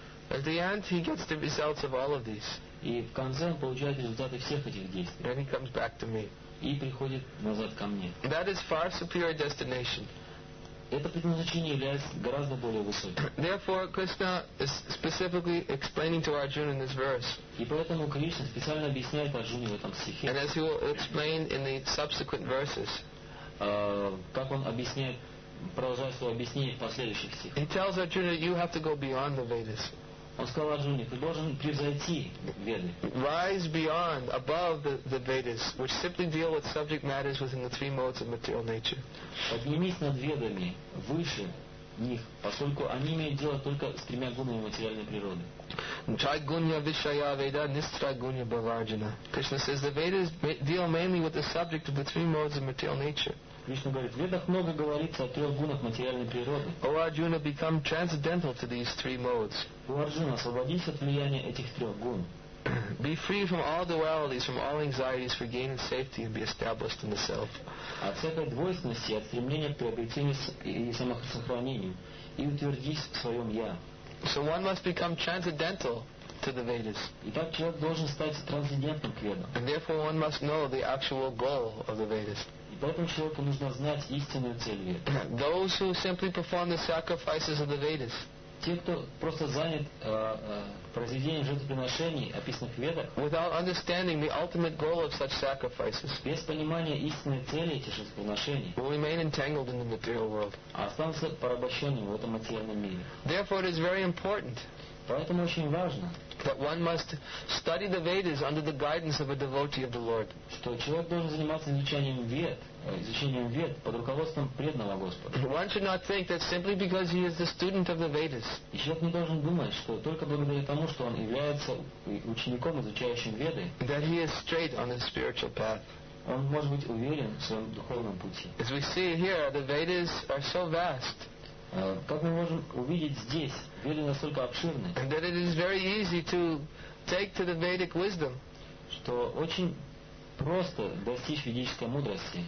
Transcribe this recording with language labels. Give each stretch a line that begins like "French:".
English: At the end he gets the results of all of these.
Russian: И в конце он получает результаты всех этих действий.
English: Then he comes back to me.
Russian: И приходит назад ко мне.
English: That is far superior destination.
Russian: Это предназначение является гораздо более высоким.
English: Therefore, Krishna is specifically explaining to Arjuna in this verse.
Russian: И поэтому Кришна специально объясняет Арджуне в этом стихе.
English: And as he will explain in the subsequent verses.
Russian: Как он объясняет, продолжая свое объяснение в последующих стихах.
English: He tells Arjuna, you have to go beyond the Vedas.
Russian: Он сказал Арджуне, ты должен превзойти Веды.
English: Rise beyond, above the Vedas, which simply deal with subject matters within the three modes of material nature.
Russian: Поднимись над Ведами, выше них, поскольку они имеют дело только с тремя гунами материальной природы.
Sanskrit: Чайгунья вишая веда нистрайгунья баварджина.
English: Krishna says the Vedas deal mainly with the subject of the three modes of material nature.
Russian: Кришна говорит, в Ведах много говорится о трех гунах материальной природы.
English: O Arjuna, become transcendental to these three modes.
Russian: У Арджуна, освободись от влияния этих трех гун.
English: Be free from all dualities, from all anxieties for gain and safety and be established in the self.
Russian: От всякой двойственности, от стремления к приобретению и самосохранению и утвердись в своем Я.
English: So one must become transcendental to the Vedas.
Russian: Итак, человек должен стать трансцендентным к Ведам.
English: And therefore one must know the actual goal of the Vedas.
Russian: И поэтому человеку нужно знать истинную цель Вед.
English: Those who simply perform the sacrifices of the Vedas.
Russian: Те, кто просто занят произведением жертвоприношений, описанных в Ведах.
English: Without understanding the ultimate goal of such sacrifices.
Russian: Без понимания истинной цели этих жертвоприношений.
English: Will remain entangled in the material world.
Russian: Останутся порабощенными в этом материальном мире.
English: Therefore, it is very important.
Russian: Поэтому очень важно.
English: That one must study the Vedas under the guidance of a devotee of the Lord.
Russian: Что человек должен заниматься изучением Вед под руководством преданного Господа.
English: One should not think that simply because he is the student of the Vedas.
Russian: И человек не должен думать, что только благодаря тому, что он является учеником, изучающим Веды.
English: That he is straight on his spiritual path.
Russian: Он может быть уверен в своем духовном пути.
English: As we see here, the Vedas are so vast.
Russian: Как мы можем увидеть здесь, Веды настолько обширны,
English: and that it is very easy to take to the Vedic wisdom,
Russian: что очень просто достичь ведической мудрости,